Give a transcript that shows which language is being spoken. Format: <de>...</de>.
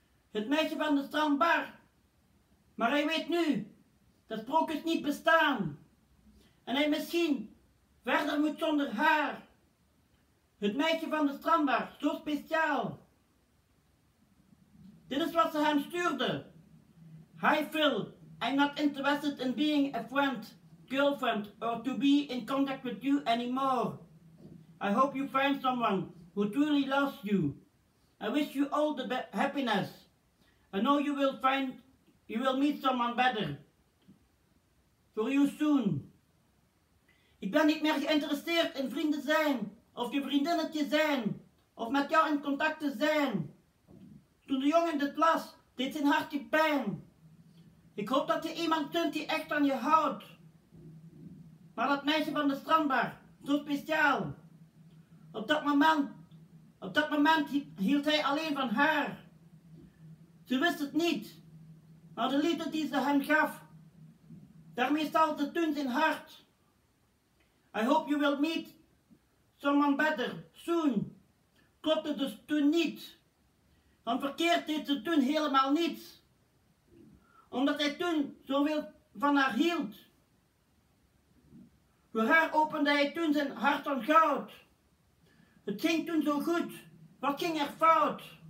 <nl>Het meisje van de strandbar. Maar hij weet nu dat sprookjes niet bestaan. En hij misschien verder moet zonder haar. Het meisje van de strandbar, zo speciaal. Dit is wat ze hem stuurde.</nl> <en>Hi Phil, I'm not interested in being a friend, girlfriend, or to be in contact with you anymore. I hope you find someone who truly loves you. I wish you all the happiness. I know you will find, you will meet someone better. For you soon.</en> <nl>Ik ben niet meer geïnteresseerd in vrienden zijn, of je vriendinnetje zijn, of met jou in contact te zijn. Toen de jongen dit las, deed zijn hartje pijn. Ik hoop dat je iemand kunt die echt van je houdt. Maar dat meisje van de strandbar, zo speciaal. Op dat moment hield hij alleen van haar. Ze wist het niet, maar de liefde die ze hem gaf, daarmee stal ze toen zijn hart.</nl> <en>I hope you will meet someone better soon.</en> <nl>Klopte dus toen niet. Want verkeerd deed ze toen helemaal niets. Omdat hij toen zoveel van haar hield. Voor haar opende hij toen zijn hart van goud. Het ging toen zo goed. Wat ging er fout?</nl>